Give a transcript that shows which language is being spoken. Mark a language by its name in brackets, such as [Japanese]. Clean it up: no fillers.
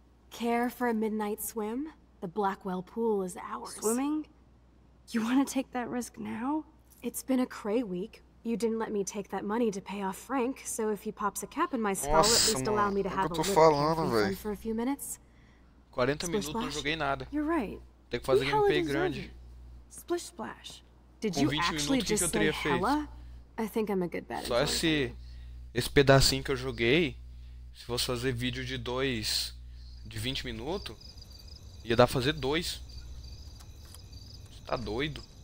[English] Care for a midnight swim? The Blackwell pool is ours. Swimming? You want to take that risk now? It's been a cray week. You didn't let me take that money to pay off Frank, so if he pops a cap in my skull, [Portuguese] nossa, [English] at least allow me to have a little fun for a few minutes. [Portuguese] 40 minutos, não joguei nada. [English] You're right. [Portuguese] Tem que fazer gameplay grande. [English] Splish splash. Did you actually just say hella? I think I'm a good bet. [Portuguese] Só esse pedacinho que eu joguei, se fosse fazer vídeo de 20 minutos, ia dar pra fazer 2. Você tá doido?